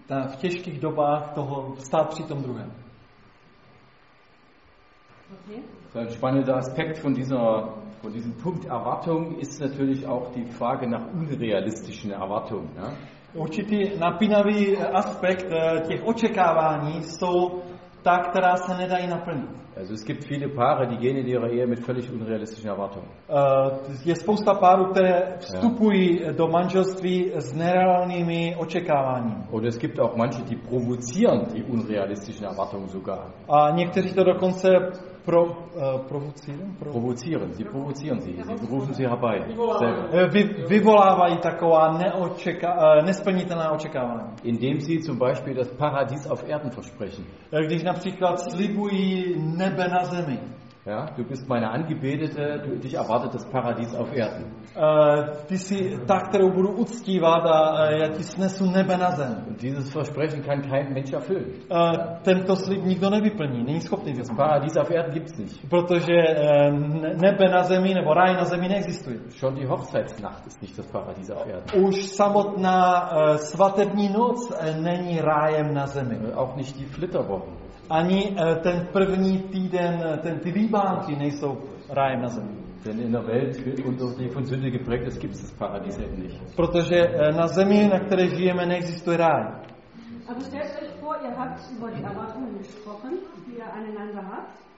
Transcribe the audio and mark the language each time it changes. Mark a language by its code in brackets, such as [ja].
[cs] V těžkých dobách toho stát při tom druhém. [de] Okay. Ein spannender Aspekt von dieser Von diesem Punkt Erwartung ist natürlich auch die Frage nach unrealistischen Erwartungen. Ja? [cs] Určitý napínavý aspekt těch očekávání jsou ta, která se nedají naplnit. [de] Also es gibt viele Paare, die gehen in ihre Ehe mit völlig unrealistischen Erwartungen. [cs] Je spousta párů, které vstupují do manželství s nereálnými očekáváními. [de] Oder es gibt auch manche, die provozieren die unrealistischen Erwartungen sogar. [cs] A někteří to dokonce provozieren. [de] Sie provozieren sie. Sie rufen sie herbei. [cs] Vyvolávají taková nesplnitelná očekávání. [de] Indem sie zum Beispiel das Paradies auf Erden versprechen. [cs] Když například slibují nebe na zemi. [de] Ja, du bist meine Angebetete, dich erwartet das Paradies auf Erden. [cs] Ty jsi ta, kterou budu uctívat a já ti snesu nebe na zem. [de] Und dieses Versprechen kann kein Mensch erfüllen. [cs] Tento slib nikdo nevyplní, není schopný vyplnit. [de] Paradies auf Erden gibt's nicht. [cs] Protože nebe na zemi nebo ráj na zemi neexistuje. [de] Schon die Hochzeitsnacht ist nicht das Paradies auf Erden. [cs] Už samotná svatební noc není rájem na zemi. [de] Auch nicht die Flitterwochen. [cs] Ani ten první týden, ten ty líbánky nejsou rájem na zemi. [de] Denn in der Welt und durch die von Sünde geprägt ist, gibt es das Paradies eben nicht. [cs] Protože na zemi, na které žijeme, neexistuje ráj. [de] Aber stellt euch vor, ihr habt über die Erwartungen gesprochen, die ihr aneinander habt.